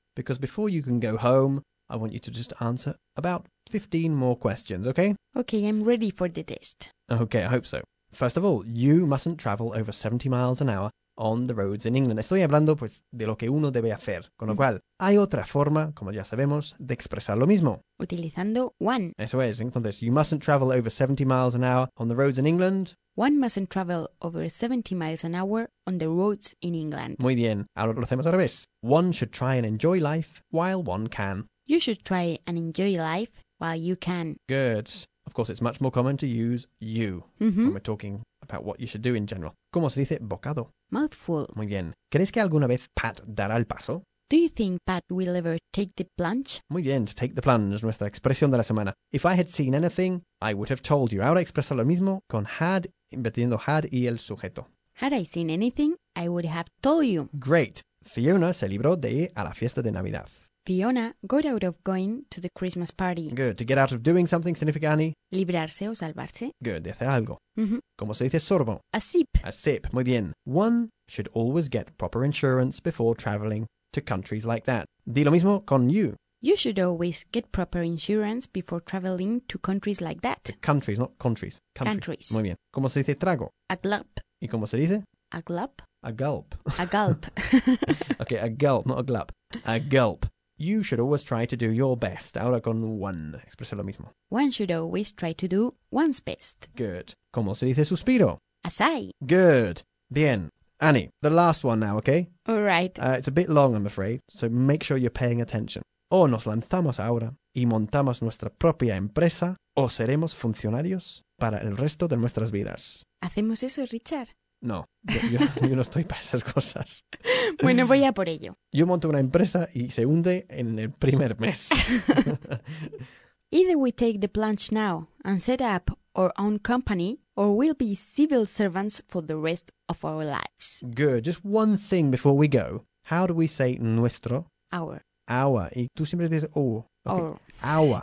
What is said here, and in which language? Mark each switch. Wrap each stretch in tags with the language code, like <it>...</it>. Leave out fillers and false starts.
<en>Because before you can go home, I want you to just answer about 15 more questions, okay? Okay, I'm ready for the test. Okay, I hope so. First of all, you mustn't travel over 70 miles an hour on the roads in England.</en> <es>Estoy hablando, pues, de lo que uno debe hacer. Con lo cual, hay otra forma, como ya sabemos, de expresar lo mismo. Utilizando one. Eso es. Entonces,</es> <en>you mustn't travel over 70 miles an hour on the roads in England. One mustn't travel over 70 miles an hour on the roads in England.</en> <es>Muy bien. Ahora lo hacemos al revés.</es> <en>One should try and enjoy life while one can. You should try and enjoy life while you can. Good. Of course, it's much more common to use you when we're talking about what you should do in general.</en> <es>¿Cómo se dice bocado?</es> <en>Mouthful.</en> <es>Muy bien. ¿Crees que alguna vez Pat dará el paso?</es> <en>Do you think Pat will ever take the plunge?</en> <es>Muy bien,</es> <en>to take the plunge,</en> <es>nuestra expresión de la semana.</es> <en>If I had seen anything, I would have told you.</en> <es>Ahora expresa lo mismo con had, invirtiendo had y el sujeto.</es> <en>Had I seen anything, I would have told you. Great.</en> <es>Fiona se libró de ir a la fiesta de Navidad.</es> <en>Fiona got out of going to the Christmas party. Good. To get out of doing something</en> <es>significa,</es> <en>Annie?</en> <es>Librarse o salvarse.</es> <en>Good.</en> <es>De hacer algo. ¿Cómo se dice sorbo?</es> <en>A sip. A sip.</en> <es>Muy bien.</es> <en>One should always get proper insurance before traveling to countries like that.</en> <es>Di lo mismo con you.</es> <en>You should always get proper insurance before traveling to countries like that. To countries, not countries. Countries. Countries.</en> <es>Muy bien. ¿Cómo se dice trago?</es> <en>A gulp.</en> <es>¿Y cómo se dice?</es> <en>A gulp. A gulp. A gulp. Okay, a gulp, not a gulp. A gulp. You should always try to do your best.</en> <es>Ahora con one. Expresa lo mismo.</es> <en>One should always try to do one's best. Good.</en> <es>¿Cómo se dice suspiro?</es> <en>A sigh. Good.</en> <es>Bien.</es> <en>Annie, the last one now, okay? All right. It's a bit long, I'm afraid, so make sure you're paying attention.</en> <es>O nos lanzamos ahora y montamos nuestra propia empresa o seremos funcionarios para el resto de nuestras vidas. ¿Hacemos eso, Richard? No, yo no estoy para esas cosas. Bueno, voy a por ello. Yo monto una empresa y se hunde en el primer mes.</es> <en>Either we take the plunge now and set up our own company, or we'll be civil servants for the rest of our lives. Good. Just one thing before we go. How do we say nuestro? Our.</en> <es>Our. Y tú siempre dices oh. Okay.</es> <en>Our.</en>